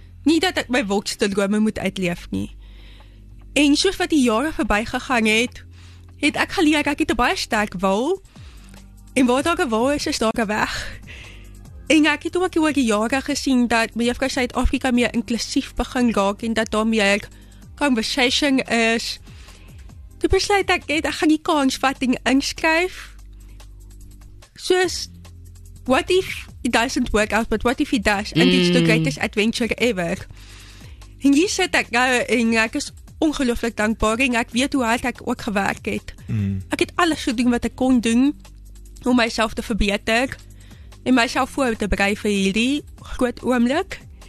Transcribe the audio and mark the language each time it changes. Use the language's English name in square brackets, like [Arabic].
[Afrikaans] Nie dat ek my wildste drome moet uitleef nie. En soos wat die jare verbygegaan het ek geleer, ek het 'n baie sterk wil. En waar daar 'n wil is, is daar 'n weg. En ek het ook oor die jare gesien dat my juffrou Suid-Afrika meer inklusief begin raak en dat daar meer conversation is. Toe besluit ek net, ek gaan die kans vat en inskryf. [English] Soos, what if it doesn't work out, but what if it does? And it's the greatest adventure ever. [Afrikaans] En hier sit ek nou en ek is ongelooflik dankbaar en ek weet hoe hard ek ook gewerk het. Mm. Ek het alles gedoen wat ek kon doen om myself te verbeter en myself voor te berei vir hierdie groot oomblik.